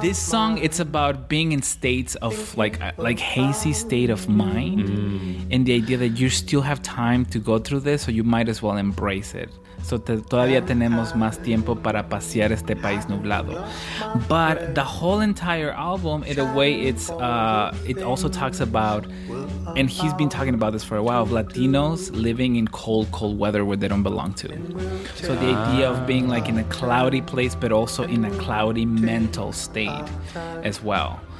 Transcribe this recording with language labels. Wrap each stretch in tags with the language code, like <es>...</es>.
<en>This song, it's about being in states of like hazy state of mind. Mm. And the idea that you still have time to go through this, so you might as well embrace it.</en> <es>So todavía tenemos más tiempo para pasear este país nublado.</es> <en>But the whole entire album, in a way, it's it also talks about, and he's been talking about this for a while, of Latinos living in cold, cold weather where they don't belong to. So the idea of being like in a cloudy place, but also in a cloudy mental state as well.</en>